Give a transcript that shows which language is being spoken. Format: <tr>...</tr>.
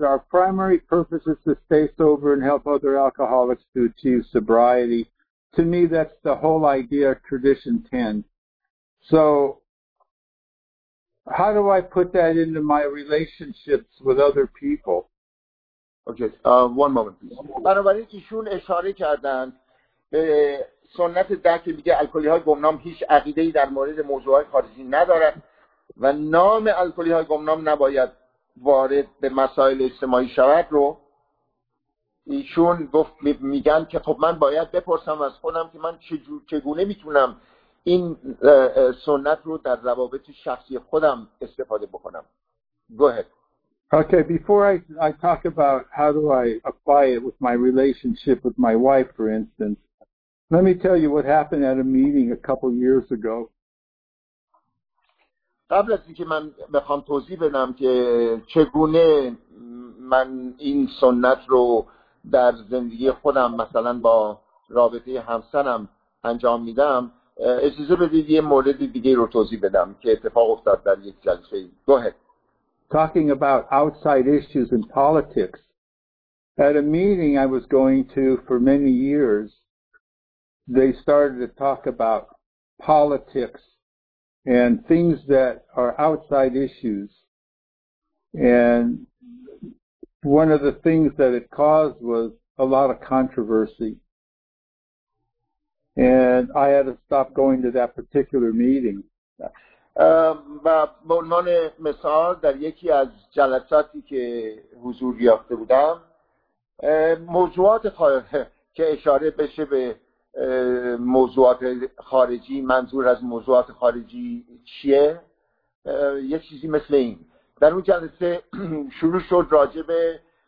<en>Our primary purpose is to stay sober and help other alcoholics to achieve sobriety. To me, that's the whole idea of Tradition 10. So, how do I put that into my relationships with other people? Okay, one moment, please.</en> <fa>بنابراین ایشون اشاره کردند به سنت ده که میگه الکلی های گمنام هیچ عقیده ای در مورد موضوعات خارجی ندارد و نام الکلی های گمنام نباید وارد به مسائل اجتماعی شود رو ایشون گفت میگن که خب من باید بپرسم از خودم که من چگونه میتونم این سنت رو در روابط شخصی خودم استفاده بکنم.</fa> <en>Go ahead. Okay, before I talk about how do I apply it with my relationship with my wife, for instance, let me tell you what happened at a meeting a couple years ago.</en> <fa>قبل از اینکه من بخوام توضیح بدم که چگونه من این سنت رو در زندگی خودم مثلا با رابطه همسرم انجام میدم، اجازه بدید یه مورد دیگه رو توضیح بدم که اتفاق افتاد در یک جلسه.</fa> <en>Go ahead. Talking about outside issues in politics, at a meeting I was going to for many years, they started to talk about politics and things that are outside issues. And one of the things that it caused was a lot of controversy. And I had to stop going to that particular meeting.</en> <fa>و به عنوان مثال در یکی از جلساتی که حضور یافته بودم، موضوعات که اشاره بشه به موضوعات خارجی، منظور از موضوعات خارجی چیه، یک چیزی مثل این در اون جلسه شروع شد راجع به</fa>